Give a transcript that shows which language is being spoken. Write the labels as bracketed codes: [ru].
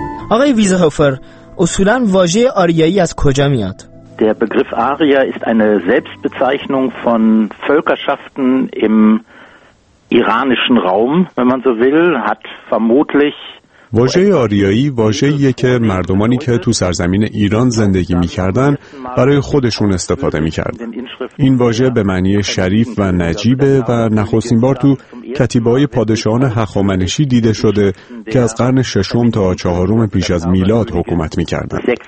[fa] آقای ویزهوفر، اصولا واژه آریایی از کجا میاد؟ [de] Der Begriff Arya ist eine Selbstbezeichnung von Völkerschaften im iranischen Raum, wenn man so will, hat vermutlich [fa] واژه آریایی واژه‌ایه که مردمانی که تو سرزمین ایران زندگی می‌کردن برای خودشون استفاده می‌کردن. این واژه به معنی شریف و نجیبه و نخستین بار تو کتیبه‌های پادشاهان هخامنشی دیده شده که از قرن ششم تا چهارم پیش از میلاد حکومت می‌کردن.